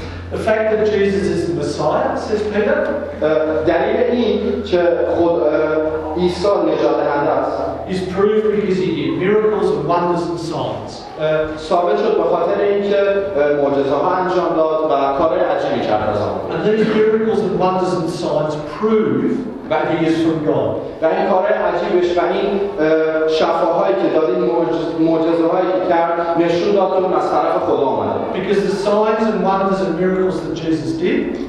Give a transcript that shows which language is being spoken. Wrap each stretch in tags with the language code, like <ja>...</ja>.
<en>The fact that Jesus is the Messiah, says Peter.</en> <fa>دلیل این که خود عیسی نجات دهنده است.</fa> <en>Is proved because he did miracles and wonders and signs.</en> <fa>ثابت شد به خاطر اینکه معجزه‌ها انجام داد و کارهای عجیبی کرد.</fa> <en>And these miracles and wonders and signs prove that he is from God.</en> <fa>و این کارهای عجیبش و این شفاهایی که داد، این معجزه‌هایی که کرد، نشون داد که از طرف خدا آمده.</fa> <en>Because the signs and wonders and miracles that Jesus did,</en>